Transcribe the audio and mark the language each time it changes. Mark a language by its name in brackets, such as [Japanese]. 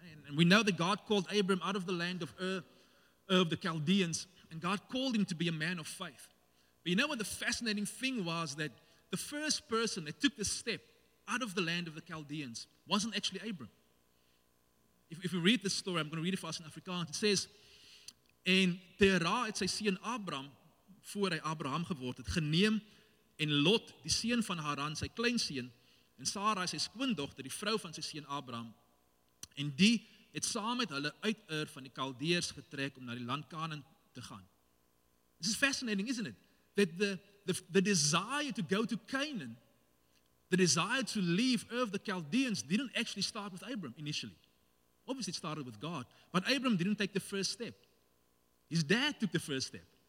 [English] And we know that God called Abram out of the land of Ur of the Chaldeans, and God called him to be a man of faith. But you know what the fascinating thing was? That the first person that took the step out of the land of the Chaldeans wasn't actually Abram. If we read this story, I'm going to read it for us in Afrikaans. It says, [Afrikaans] En Terah het sy seun Abram, voor hy Abraham geword het, geneem, en Lot, die seun van Haran, sy kleinseun, en Sarai, sy skoondogter, die vrou van sy seun Abraham, en die het saam met hulle uit Ur van die Kaldeërs getrek om na die land Kanaan te gaan. [English] This is fascinating, isn't it? That the desire to go to Canaan, the desire to leave Ur of the Chaldeans, didn't actually start with Abram initially. Obviously it started with God, but Abram didn't take the first step. His dad took the first step.